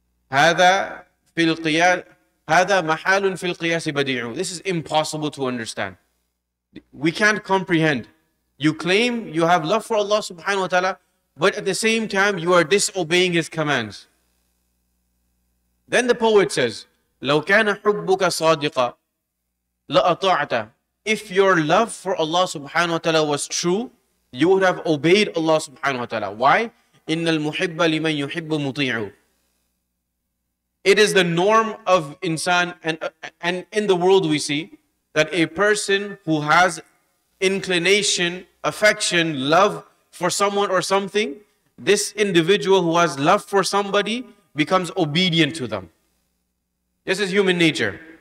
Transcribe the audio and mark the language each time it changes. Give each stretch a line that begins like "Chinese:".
Arabic: هَذَا مَحَالٌ فِي الْقِيَاسِ بَدِيعٌ.
English: This is impossible to understand. We can't comprehend. You claim you have love for Allah subhanahu wa ta'ala, but at the same time you are disobeying His commands. Then the poet says,
Arabic: لَوْ كَانَ حُبُّكَ صَادِقًا لَأَطَعْتَ.
English: If your love for Allah subhanahu wa ta'ala was true, you would have obeyed Allah subhanahu wa ta'ala. Why?
Arabic: إِنَّ الْمُحِبَّ لِمَنْ يُحِبُّ مُطِيعُ.
English: It is the norm of insan and in the world we see that a person who has inclination, affection, love for someone or something, this individual who has love for somebody becomes obedient to them. This is human nature.